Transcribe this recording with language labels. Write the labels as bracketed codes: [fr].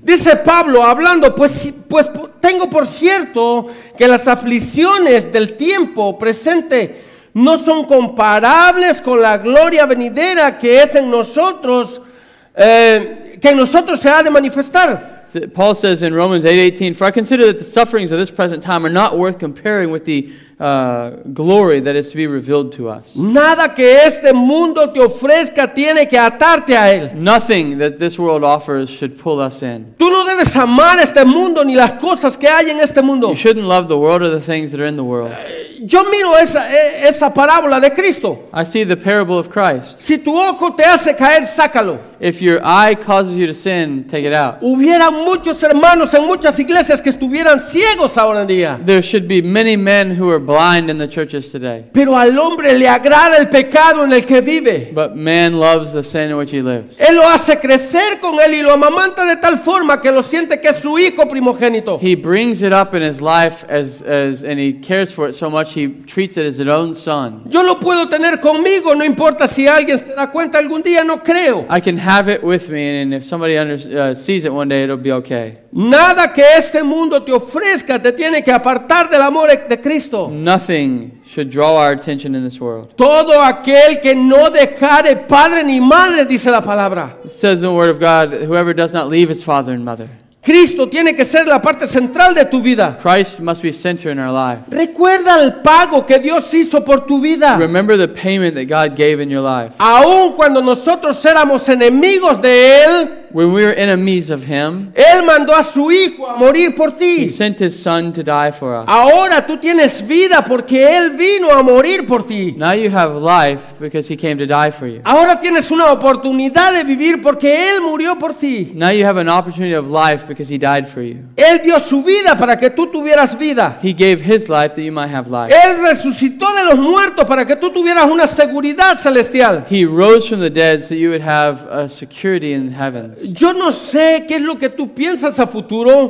[es] Dice Pablo hablando, pues tengo por cierto que las aflicciones del tiempo presente no son comparables con la gloria venidera que es en nosotros. Que en nosotros se ha de manifestar. [en] Paul says in Romans 8:18, "For I consider that the sufferings of this present time are not worth comparing with the glory that is to be revealed to us." [es] Nada que este mundo te ofrezca tiene que atarte a él. [en] Nothing that this world offers should pull us in. [es] Tú no debes amar este mundo ni las cosas que hay en este mundo. [en] You shouldn't love the world or the things that are in the world. [es] Yo miro esa parábola de Cristo. [en] I see the parable of Christ. [es] Si tu ojo te hace caer, sácalo. [en] If your eye causes you to sin, take it out. [es] Hubiera muchos hermanos en muchas iglesias que estuvieran ciegos ahora en día. [en] There should be many men who are blind in the churches today. [es] Pero al hombre le agrada el pecado en el que vive. [en] But man loves the sin in which he lives. [es] Él lo hace crecer con él y lo amamanta de tal forma que lo siente que es su hijo primogénito. [en] He brings it up in his life as and he cares for it so much he treats it as his own son. [es] Yo lo puedo tener conmigo, no importa si alguien se da cuenta algún día, no creo. [en] I can have it with me, and if somebody sees it one day, it'll be okay. [es] Nada que este mundo te ofrezca te tiene que apartar del amor de Cristo. [en] Nothing should draw our attention in this world. [es] Todo aquel que no dejare padre ni madre, dice la palabra. [en] It says in the word of God, whoever does not leave his father and mother. [es] Cristo tiene que ser la parte central de tu vida. [en] Christ must be center in our life. [es] Recuerda el pago que Dios hizo por tu vida. [en] Remember the payment that God gave in your life. [es] Aun cuando nosotros éramos enemigos de Él, [en] when we were enemies of Him, [es] Él mandó a su hijo a morir por ti. [en] He sent His Son to die for us. [es] Ahora tú tienes vida porque Él vino a morir por ti. [en] Now you have life because He came to die for you. [es] Ahora tienes una oportunidad de vivir porque Él murió por ti. [en] Now you have an opportunity of life because He died for you. [es] Él dio su vida para que tú tuvieras vida. [en] He gave His life that you might have life. [es] Él resucitó de los muertos para que tú tuvieras una seguridad celestial. [en] He rose from the dead so you would have a security in heaven. [es] Yo no sé qué es lo que tú piensas a futuro.